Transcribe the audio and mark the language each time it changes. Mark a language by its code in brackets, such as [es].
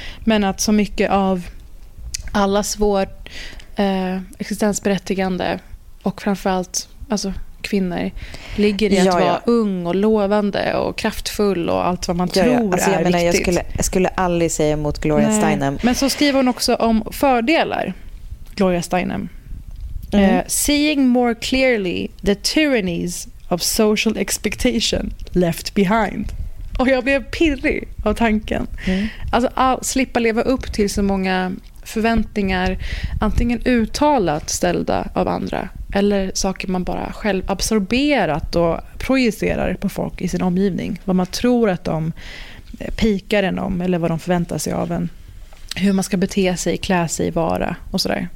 [sv] Men att så mycket av alla svår existensberättigande och framförallt alltså kvinnor ligger i att vara ung och lovande och kraftfull och allt vad man tror alltså, är viktigt. Jag skulle aldrig säga emot Gloria Steinem. Men så skriver hon också om fördelar, Gloria Steinem. [en] Seeing more clearly the tyrannies of social expectation left behind. [sv] Och jag blev pirrig av tanken. Mm. Alltså slippa leva upp till så många förväntningar, antingen uttalat ställda av andra eller saker man bara själv absorberat och projicerar på folk i sin omgivning, vad man tror att de pikar en om eller vad de förväntar sig av en, hur man ska bete sig, klä sig, vara och sådär.